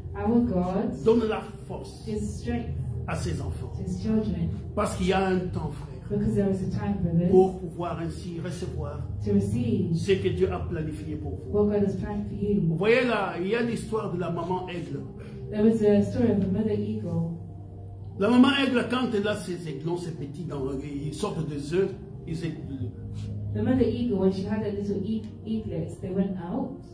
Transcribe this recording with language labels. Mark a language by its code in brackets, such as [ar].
[en] our God [fr] donne la force [en] his strength [fr] à ses enfants. [en] His children. [fr] Parce qu'il y a un temps, frère. [en] Because there was a time for this, [fr] pour pouvoir ainsi recevoir [en] to receive [fr] ce que Dieu a planifié pour vous. [en] What God has planned for you. [fr] Vous voyez là, il y a l'histoire de la maman aigle. [en] There was a story of the mother eagle. [fr] La maman aigle, quand elle a ses aiglons, ses petits, dans, ils sortent des œufs, ils aiglent. [en] The mother eagle, when she had her little eaglets, they went out.